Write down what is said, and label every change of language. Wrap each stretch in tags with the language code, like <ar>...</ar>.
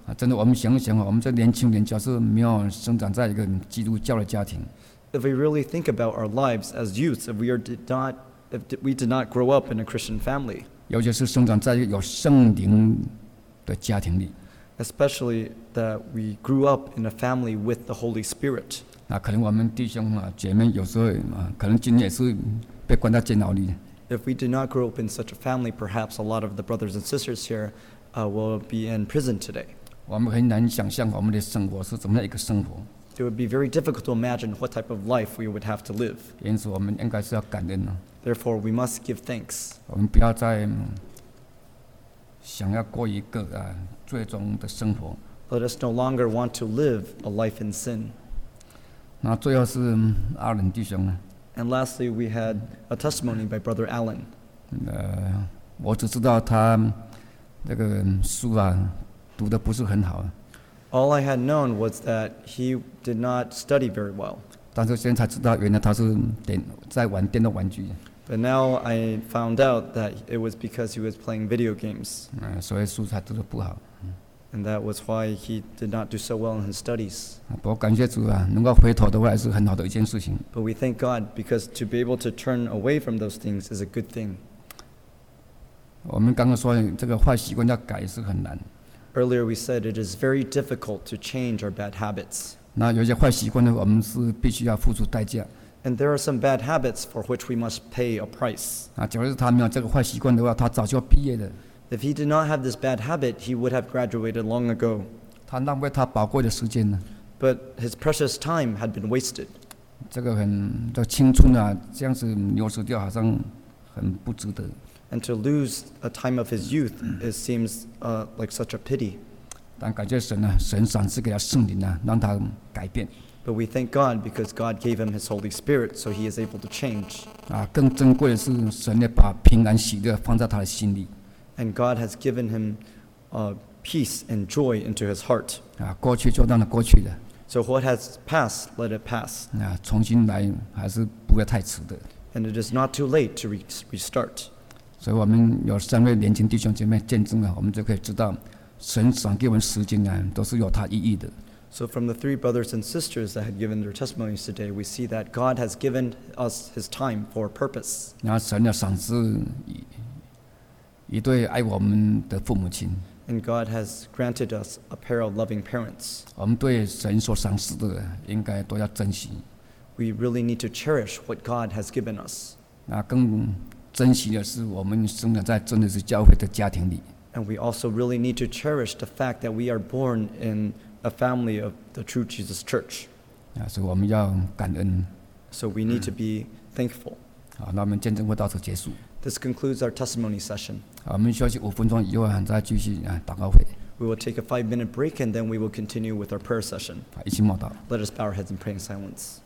<zh>真的，我们想想啊，我们这年轻人，假设没有生长在一个基督教的家庭</zh> <en>，If we really think about our lives as youths, if we did not grow up in a Christian family,</en> <zh>尤其是生长在一个有圣灵的家庭里。</zh> <en>especially that we grew up in a family with the Holy Spirit.</en> <zh>那可能我们弟兄啊，姐妹有时候啊，可能今天也是被关在监牢里。</zh> <en>If we did not grow up in such a family, perhaps a lot of the brothers and sisters here will be in prison today.</en> <zh>我们很难想象我们的生活是怎么样一个生活。</zh> <en>It would be very difficult to imagine what type of life we would have to live.</en> <zh>因此，我们应该是要感恩的。</zh> <en>Therefore, we must give thanks.</en> <zh>我们不要再想要过一个啊最终的生活。</zh> <en>Let us no longer want to live a life in sin.</en> <zh>那最后是阿伦弟兄呢？</zh> <en>And lastly, we had a testimony by Brother Allen.</en> <zh>我只知道他那个书啊读的不是很好。</zh> <en>All I had known was that he did not study very well.</en> <zh>但是现在才知道，原来他是在玩电动玩具。</zh> <en>But now I found out that it was because he was playing video games.</en> <zh>所以书才读得不好。</zh> <en>And that was why he did not do so well in his studies.</en> <zh>不过感谢主啊，能够回头的话还是很好的一件事情。</zh> <en>But we thank God because to be able to turn away from those things is a good thing.</en> <zh>我们刚刚说这个坏习惯要改是很难。</zh> <en>Earlier we said it is very difficult to change our bad habits.</en> <zh>那有些坏习惯呢，我们是必须要付出代价。</zh> <en>And there are some bad habits for which we must pay a price.</en> <zh>啊，假如是他没有这个坏习惯的话，他早就毕业了。</zh> <en>If he did not have this bad habit, he would have graduated long ago.</en> <zh>他浪费他宝贵的时间呢。</zh> <en>But his precious time had been wasted.</en> <zh>这个很，这青春啊，这样子流失掉，好像很不值得。</zh> <en>And to lose a time of his youth, it seems like such a pity.</en> <zh>但感谢神啊，神赏赐给他圣灵啊，让他改变。</zh> <en>But we thank God because God gave him His Holy Spirit, so he is able to change.</en> <zh>啊，更珍贵的是，神也把平安喜乐放在他的心里。</zh> <en>And God has given him peace and joy into his heart.</en> <zh>啊，过去就让它过去了。</zh> <en>So what has passed, let it pass.</en> <zh>啊，重新来还是不会太迟的。</zh> <en>And it is not too late to restart.</en> <zh>所以我们有三位年轻弟兄姐妹见证了，我们就可以知道神赏给我们时间啊，都是有他意义的。</zh> <en>So from the three brothers and sisters that had given their testimonies today, we see that God has given us His time for a purpose.</en> <zh>那神要赏赐一对爱我们的父母亲。</zh> <en>And God has granted us a pair of loving parents.</en> <zh>我们对神所赏赐的应该都要珍惜。</zh> <en>We really need to cherish what God has given us.</en> <zh>那更珍惜的是我们生长在真的是教会的家庭里。</zh> <en>And we also really need to cherish the fact that we are born in a family of the true Jesus Church.</en> <zh>啊，所以我们要感恩。</zh> <en>So we need to be thankful.</en> <zh>好，那我们见证会到此结束。</zh> <en>This concludes our testimony session.</en> <zh>好，我们休息五分钟以后啊，再继续啊祷告会。</zh> <en>We will take a 5-minute break and then we will continue with our prayer session.</en> <zh>好，一起默祷。</zh> <en>Let us bow our heads and pray in silence.</en>